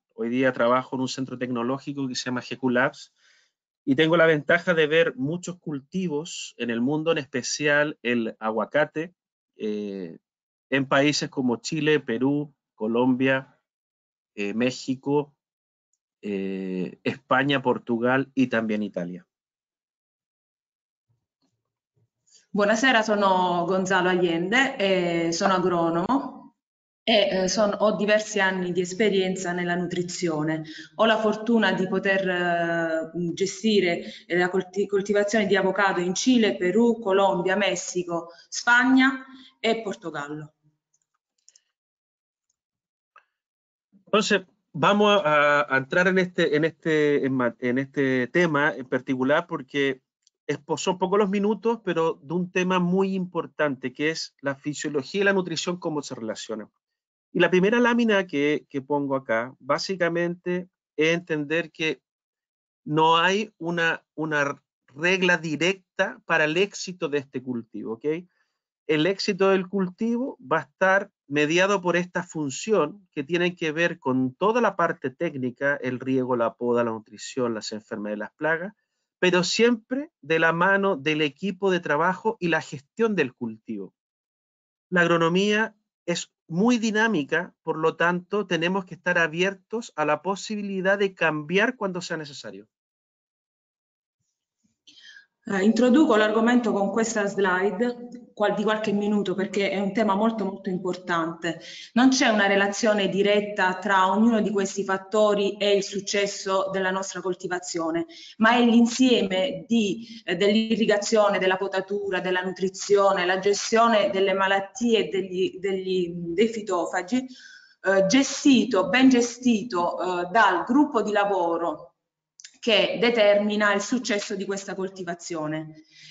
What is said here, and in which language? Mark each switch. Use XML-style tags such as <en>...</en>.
<es>Hoy día trabajo en un centro tecnológico que se llama GQ Labs y tengo la ventaja de ver muchos cultivos en el mundo, en especial el aguacate, en países como Chile, Perú, Colombia, México. España, Portugal y también Italia.</es> <it>Buonasera, sono Gonzalo Allende, sono agronomo e ho diversi anni di esperienza nella nutrizione. Ho la fortuna di poter gestire la coltivazione di avocado in Cile, Perù, Colombia, Messico, Spagna e Portogallo.</it> <es>Entonces, vamos a entrar en este tema en particular porque son pocos los minutos, pero de un tema muy importante que es la fisiología y la nutrición, cómo se relacionan. Y la primera lámina que pongo acá, básicamente, es entender que no hay una regla directa para el éxito de este cultivo, ¿ok? El éxito del cultivo va a estar mediado por esta función que tiene que ver con toda la parte técnica, el riego, la poda, la nutrición, las enfermedades, las plagas, pero siempre de la mano del equipo de trabajo y la gestión del cultivo. La agronomía es muy dinámica, por lo tanto, tenemos que estar abiertos a la posibilidad de cambiar cuando sea necesario.</es> <it>Introduco l'argomento con questa slide di qualche minuto perché è un tema molto molto importante. Non c'è una relazione diretta tra ognuno di questi fattori e il successo della nostra coltivazione, ma è l'insieme dell'irrigazione, della potatura, della nutrizione, la gestione delle malattie e dei fitofagi, gestito, ben gestito, dal gruppo di lavoro che determina il successo di questa coltivazione.</it>